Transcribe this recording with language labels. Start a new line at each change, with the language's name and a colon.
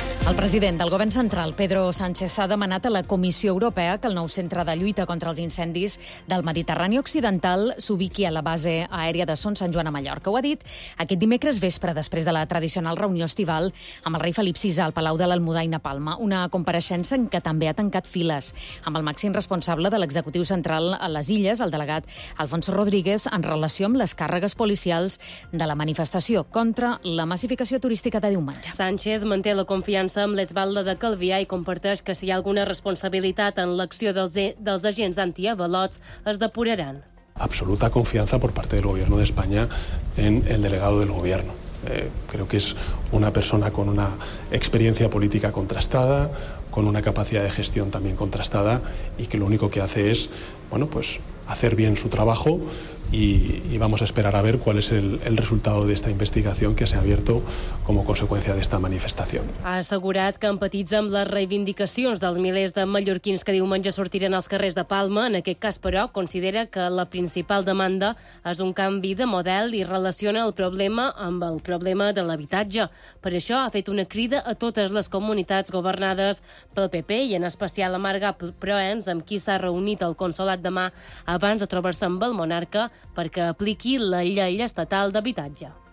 Catalan: El president del Govern central, Pedro Sánchez, ha demanat a la Comissió Europea que el nou centre de lluita contra els incendis del Mediterrani Occidental s'ubiqui a la base aèria de Son Sant Joan a Mallorca. Ho ha dit aquest dimecres vespre, després de la tradicional reunió estival amb el rei Felip VI al Palau de l'Almudaina Palma, una compareixença en què també ha tancat files amb el màxim responsable de l'executiu central a les Illes, el delegat Alfonso Rodríguez, en relació amb les càrregues policials de la manifestació contra la massificació turística de diumenge. Sánchez manté la confiança amb l'exbalda de Calvià i comparteix que si hi ha alguna responsabilitat en l'acció dels agents antiavalots, es depuraran.
Spanish: Absoluta confiança por parte del gobierno de España en el delegado del gobierno. Creo que es una persona con una experiencia política contrastada, con una capacidad de gestión también contrastada, y que lo único que hace es, bueno, pues hacer bien su trabajo, y vamos a esperar a ver cuál es el resultado de esta investigación que se ha abierto como consecuencia de esta manifestación.
Catalan: Ha assegurat que empatitza amb les reivindicacions dels milers de mallorquins que diumenge sortiren als carrers de Palma. En aquest cas, però, considera que la principal demanda és un canvi de model i relaciona el problema amb el problema de l'habitatge. Per això ha fet una crida a totes les comunitats governades pel PP i en especial a Marga Proens, amb qui s'ha reunit al consolat demà abans de trobar-se amb el monarca, perquè apliqui la llei estatal d'habitatge.